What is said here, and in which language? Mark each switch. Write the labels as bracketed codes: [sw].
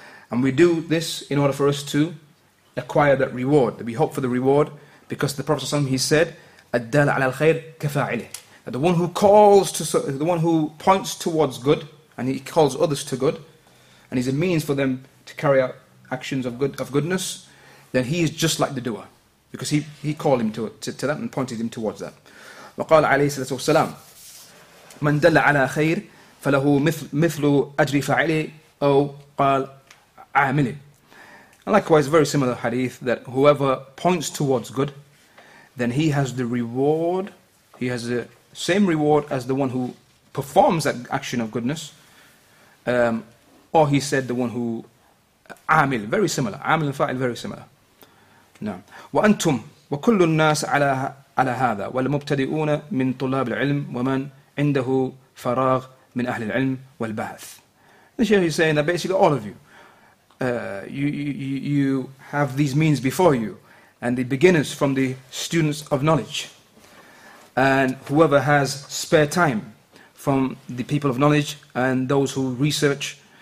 [en] And we do this in order for us to acquire that reward, that we hope for the reward, because the Prophet ﷺ, he said, [ar] أَدَّالَ عَلَى الْخَيْرِ كَفَاعِلِهِ. [en] That the one who calls to, the one who points towards good, and he calls others to good, and he's a means for them to carry out actions of good, of goodness, then he is just like the doer, because he called him to that and pointed him towards that. [ar] وقال عليه الصلاة والسلام من دل على خير فله مثل أجر فاعله أو قال عامله. [en] And likewise, very similar hadith, that whoever points towards good, then he has the reward, he has the same reward as the one who performs that action of goodness, or he said the one who عامل, very similar, [ar] عامل فاعل, [en] very similar. [ar] نعم. وأنتم وكل الناس على هذا والمبتدئون من طلاب العلم ومن عنده فراغ من أهل العلم والبحث. [en] The Sheikh is saying that basically all of you, you have these means before you, and the beginners from the students of knowledge, and whoever has spare time from the people of knowledge and those who research.